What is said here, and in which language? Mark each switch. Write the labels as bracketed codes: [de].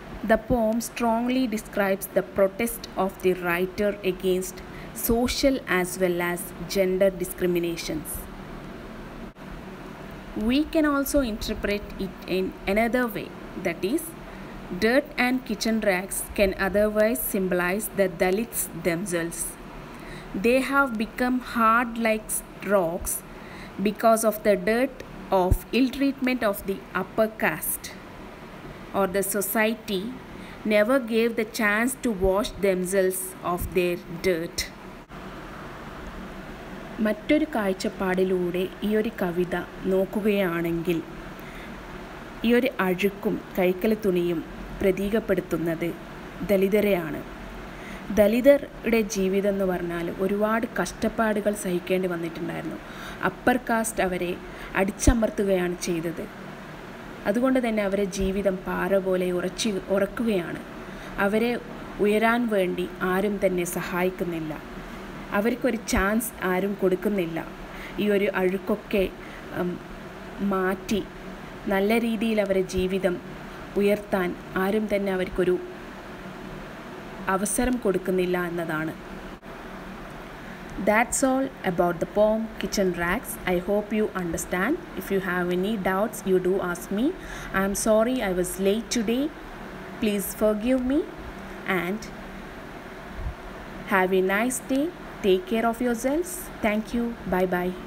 [en] The poem strongly describes the protest of the writer against social as well as gender discriminations. We can also interpret it in another way, that is dirt and kitchen rags can otherwise symbolise the Dalits damsels. They have become hard like rocks because of the dirt of ill treatment of the upper caste. or the society never gave the chance to wash themselves of their dirt. [ml] മറ്റൊരു കാഴ്ചപ്പാടിലൂടെ ഈ ഒരു കവിത നോക്കുകയാണെങ്കിൽ ഈ ഒരു അഴുക്കും കൈക്കലി തുണിയും പ്രതീകപ്പെടുത്തുന്നത് ദലിതരെയാണ്. ദലിതരുടെ ജീവിതം എന്ന് പറഞ്ഞാൽ ഒരുപാട് കഷ്ടപ്പാടുകൾ സഹിക്കേണ്ടി വന്നിട്ടുണ്ടായിരുന്നു. അപ്പർ കാസ്റ്റ് അവരെ അടിച്ചമർത്തുകയാണ് ചെയ്തത്. അതുകൊണ്ട് തന്നെ അവരെ ജീവിതം പാറ പോലെ ഉറക്കുകയാണ്. അവരെ ഉയരാൻ വേണ്ടി ആരും തന്നെ സഹായിക്കുന്നില്ല. അവർക്കൊരു ചാൻസ് ആരും കൊടുക്കുന്നില്ല. ഈ ഒരു അഴുക്കൊക്കെ മാറ്റി നല്ല രീതിയിൽ അവരെ ജീവിതം ഉയർത്താൻ ആരും തന്നെ അവർക്കൊരു അവസരം കൊടുക്കുന്നില്ല എന്നതാണ്. [en] That's all about the poem Kitchen Rags. I hope you understand. If you have any doubts, you do ask me. I am sorry I was late today. Please forgive me and have a nice day. Take care of yourselves. Thank you. Bye-bye.